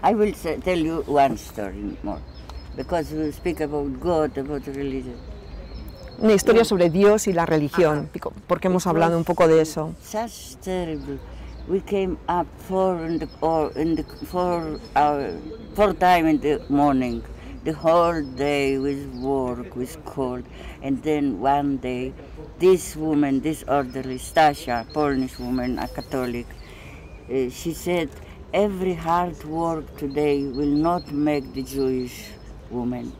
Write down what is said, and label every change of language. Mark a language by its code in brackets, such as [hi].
[en] I will tell you one story more, because we speak about God, about religion. [es] Una historia sobre Dios y la religión, porque hemos hablado un poco de eso. [en] Such terrible. We came up four times in the morning, the whole day with work, with cold, and then one day, this woman, this orderly, Stasia, Polish woman, a Catholic, she said, every hard work today will not make the Jewish woman.